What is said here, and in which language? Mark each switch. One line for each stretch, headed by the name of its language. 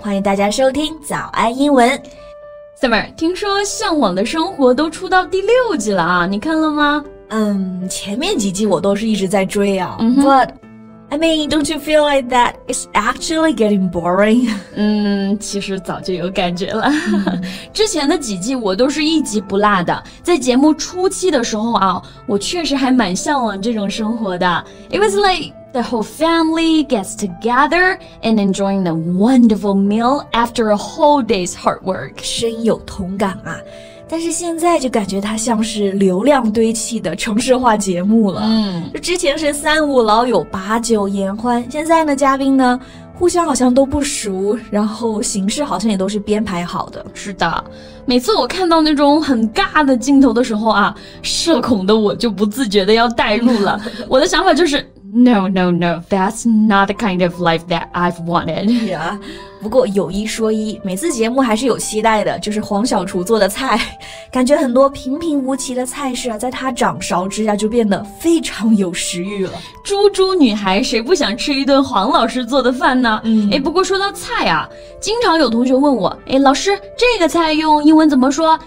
Chinese: 欢迎大家收听早安英文。 Summer, 听说向往的生活都出到第六季了啊，你看了吗？前面几季我都是一直在追啊。 Mm-hmm.
English: But, I mean, don't you feel like that it's actually getting boring?
Chinese: 其实早就有感觉了。之前的几季我都是一集不落的。在节目初期的时候啊，我确实还蛮向往这种生活的。
English: It was like... The whole family gets together and enjoying a wonderful meal after a whole day's hard work.
Chinese: 深有同感啊，但是现在就感觉它像是流量堆砌的城市化节目了。之前是三五老友把酒言欢，现在呢嘉宾呢互相好像都不熟，然后形式好像也都是编排好的。是的，每次我看到那种很尬的镜头的时候啊，社恐的我就不自觉的要带入了。我的想法就是
English: No, no, no. That's not the kind of life that I've wanted. Yeah.
Chinese: 不过有一说一，每次节目还是有期待的，就是黄小厨做的菜。感觉很多平平无奇的菜式啊，在他掌勺之下就变得非常有食欲了。猪猪女孩谁不想吃一顿黄老师做的饭呢？不过说到菜啊，经常有同学问我，老师，这个菜用英文怎么说？